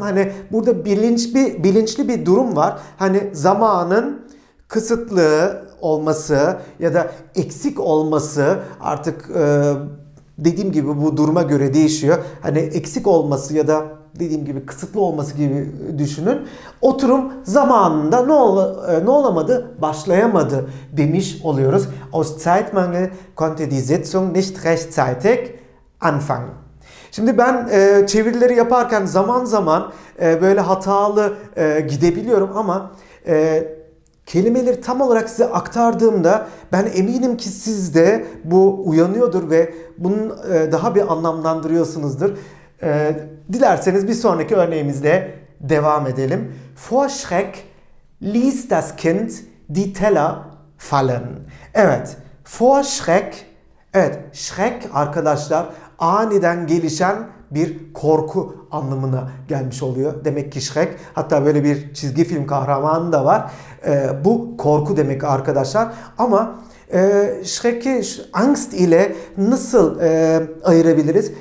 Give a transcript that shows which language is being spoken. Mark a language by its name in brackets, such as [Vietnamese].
[Turkish] Hani burada bilinçli bir durum var. Hani zamanın kısıtlı olması ya da eksik olması artık dediğim gibi bu duruma göre değişiyor. Hani eksik olması ya da dediğim gibi kısıtlı olması gibi düşünün. Oturum zamanında ne olamadı? Başlayamadı demiş oluyoruz. [German] Aus Zeitmangel konnte die Sitzung nicht rechtzeitig anfangen. [Turkish] Şimdi ben çevirileri yaparken zaman zaman böyle hatalı gidebiliyorum ama kelimeleri tam olarak size aktardığımda ben eminim ki sizde bu uyanıyordur ve bunu daha bir anlamlandırıyorsunuzdur. Dilerseniz bir sonraki örneğimizle devam edelim. [German] Vor Schreck ließ das Kind die Teller fallen. [Turkish] Evet, vor Schreck, evet, Schreck arkadaşlar aniden gelişen bir korku anlamına gelmiş oluyor. Demek ki Schreck, hatta böyle bir çizgi film kahramanı da var. Bu korku demek arkadaşlar. Ama Schreck'i Angst ile nasıl ayırabiliriz?